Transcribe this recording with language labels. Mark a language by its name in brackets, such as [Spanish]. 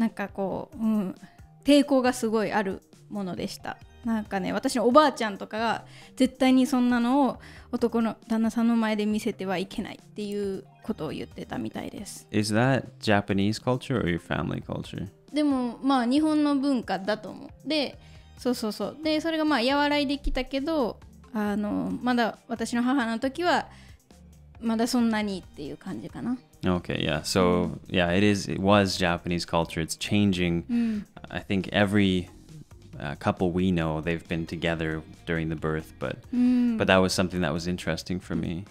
[Japanese] なんかこう、うん、抵抗がすごいあるものでした。なんかね、私のおばあちゃんとかが絶対にそんなのを男の旦那さんの前で見せてはいけないっていうことを言ってたみたいです。 [English] Is that Japanese culture or your family culture? [Japanese] でもまあ日本の文化だと思う。で、そうそうそう。で、それがまあ和らいできたけど、まだ私の母の時はまだそんなにっていう感じかな。 [English] Okay, yeah. So, yeah, it was Japanese culture. It's changing. I think everya couple we know, they've been together during the birth, but、 [Japanese] うん、 [English] but that was something that was interesting for me.、